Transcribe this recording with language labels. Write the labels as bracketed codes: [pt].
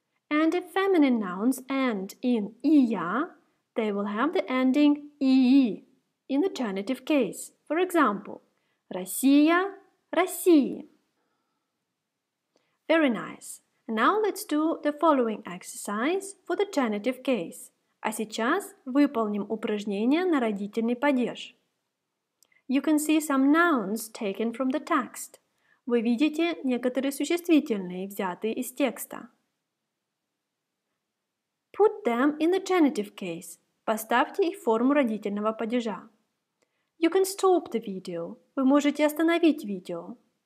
[en] And if feminine nouns end in -ия, they will have the ending -ии in the genitive case. For example, [ru] Россия – России. [en] Very nice. Now let's do the following exercise for the genitive case. [ru] А сейчас выполним упражнение на родительный падеж. [en] You can see some nouns taken from the text. [ru] Вы видите некоторые существительные, взятые из текста. [en] Put them in the genitive case. [ru] Поставьте их в форму родительного падежа. [en] You can stop the video. [ru] Вы можете остановить видео.